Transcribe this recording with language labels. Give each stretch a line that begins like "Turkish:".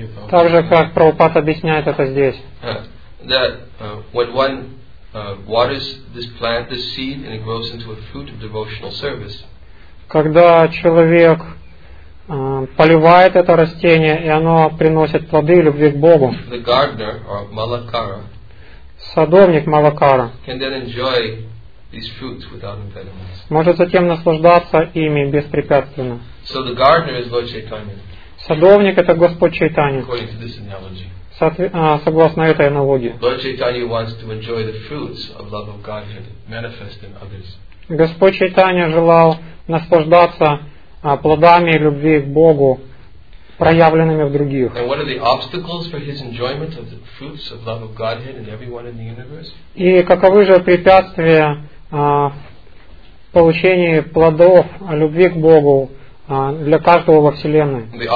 Russian: Также как Прабхупад объясняет это здесь.
English: That when one waters this plant, this seed, and it grows into a fruit of devotional service.
Russian: Когда человек поливает это растение, и оно приносит плоды любви к Богу.
English: The gardener or Malakara.
Russian: Садовник Малакара.
English: Can then enjoy these fruits without impediments.
Russian: Может затем наслаждаться ими беспрепятственно.
English: So the gardener is Lord Chaitanya.
Russian: Садовник — это Господь Чайтанья.
English: According to this analogy.
Russian: Согласно этой аналогии.
English: Lord Chaitanya wants to enjoy the fruits of love of Godhead manifest in others.
Russian: Господь Чайтанья желал наслаждаться плодами любви к Богу, проявленными в других.
English: And what are the obstacles for his enjoyment of the fruits of love of Godhead in everyone in the universe?
Russian: И каковы же препятствия в получении плодов любви к Богу для каждого во Вселенной?